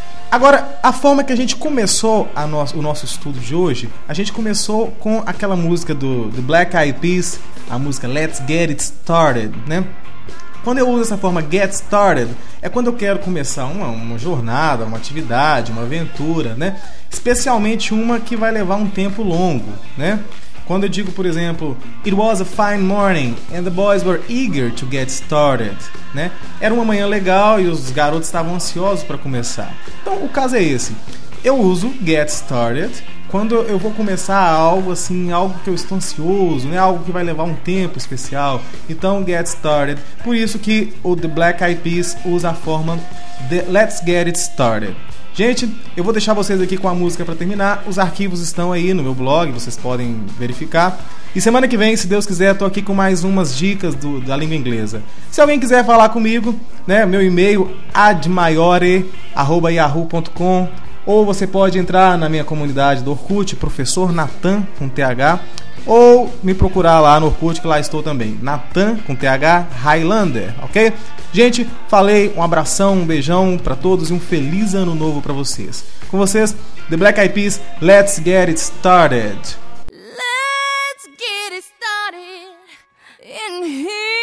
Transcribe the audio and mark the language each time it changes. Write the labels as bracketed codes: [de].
[pt] Agora, a forma que a gente começou o nosso estudo de hoje, a gente começou com aquela música do Black Eyed Peas, a música Let's Get It Started, né? Quando eu uso essa forma Get Started, é quando eu quero começar uma jornada, uma atividade, uma aventura, né? Especialmente uma que vai levar um tempo longo, né? Quando eu digo, por exemplo, [en] it was a fine morning and the boys were eager to get started, né? [pt] Era uma manhã legal e os garotos estavam ansiosos para começar. Então, o caso é esse. Eu uso get started quando eu vou começar algo assim, algo que eu estou ansioso, né? Algo que vai levar um tempo especial. Então, get started. Por isso que o The Black Eyed Peas usa a forma let's get it started. Gente, eu vou deixar vocês aqui com a música pra terminar. Os arquivos estão aí no meu blog, vocês podem verificar. E semana que vem, se Deus quiser, tô aqui com mais umas dicas da língua inglesa. Se alguém quiser falar comigo, né, meu e-mail admaiore@yahoo.com, ou você pode entrar na minha comunidade do Orkut, Professor Natan com TH, ou me procurar lá no Orkut, que lá estou também, Natan com TH Highlander, ok? Gente, falei, um abração, um beijão pra todos e um feliz ano novo pra vocês. Com vocês, The Black Eyed Peas, Let's Get It Started. [en] Let's get it started in here.